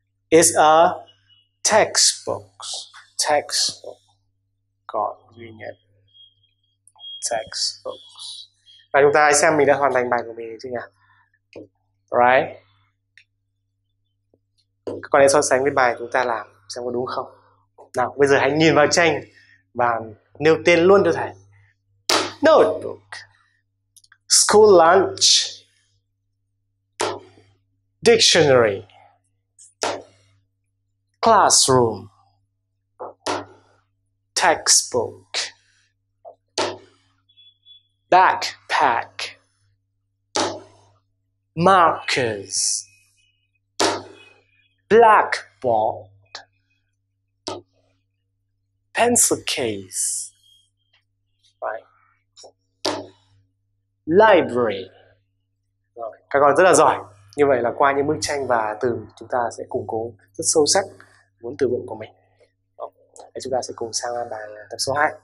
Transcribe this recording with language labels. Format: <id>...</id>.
<en>It's a textbook. Textbook. Got it. Textbook.</en> <vi>Và chúng ta hãy xem mình đã hoàn thành bài của mình chưa nhỉ? Right. Các con hãy so sánh với bài chúng ta làm xem có đúng không. Nào, bây giờ hãy nhìn vào tranh và nêu tên luôn cho thầy.</vi> <en>Notebook, school lunch, dictionary, classroom, textbook, back pack, markers, blackboard, pencil case, right, library.</en> <vi>Rồi, các con rất là giỏi. Như vậy là qua những bức tranh và từ, chúng ta sẽ củng cố rất sâu sắc vốn từ vựng của mình. Rồi, chúng ta sẽ cùng sang bài tập số 2.</vi>